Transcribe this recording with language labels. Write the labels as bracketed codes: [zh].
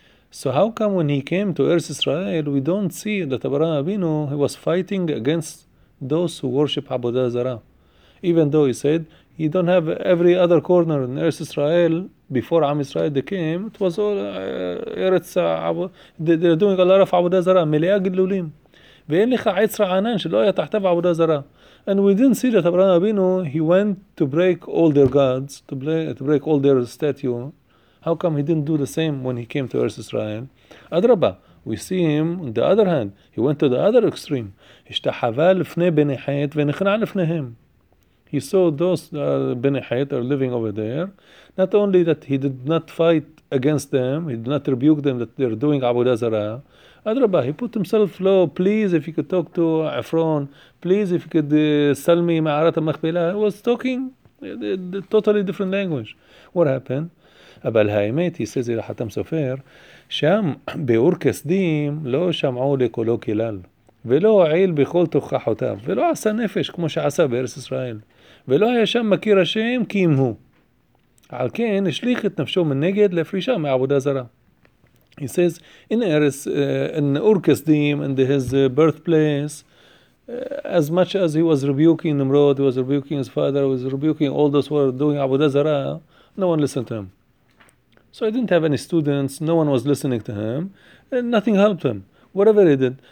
[en] So how come when he came to Eretz Israel, we don't see that Abraham Avinu, he was fighting against those who worship Abu Dazara? Even though he said, you don't have every other corner in Eretz Israel, before Am Israel they came, it was all Eretz they're doing a lot of Abu Dazara, Melea Gilulim. [he] ואין לך עץ רענן שלא היה תחתיו עבודה זרה. [en] And we didn't see that Abraham Avinu, he went to break all their gods, to break all their statue. How come he didn't do the same when he came to Eretz Israel? Adrabah, we see him on the other hand. He went to the other extreme. [he] השתחווה לפני בני חת ונכנע לפניהם. [en] he saw those Bnei Hayter living over there. Not only that he did not fight against them, he did not rebuke them that they're doing Avodah Zarah. Adrabah, he put himself low. Please, if you could talk to Efron, please, if you could sell me Ma'arat al-Makhbilah. He was talking a totally different language. What happened? [he] אבל האמת, [en] he says, [he] חתם סופר, שם באור כסדים לא שמעו לקולו כלל, ולא הועיל בכל תוכחותיו, ולא עשה נפש כמו שעשה בארץ ישראל, ולא היה שם מכיר השם כי אם הוא. על כן, השליך את נפשו מנגד להפרישה מעבודה זרה. [en] He says, in Eretz, in Ur Kasdim, in his birthplace, as much as he was rebuking Nimrod, he was rebuking his father, he was rebuking all those who were doing Avodah Zarah, no one listened to him. So he didn't have any students, no one was listening to him, and nothing helped him, whatever he did.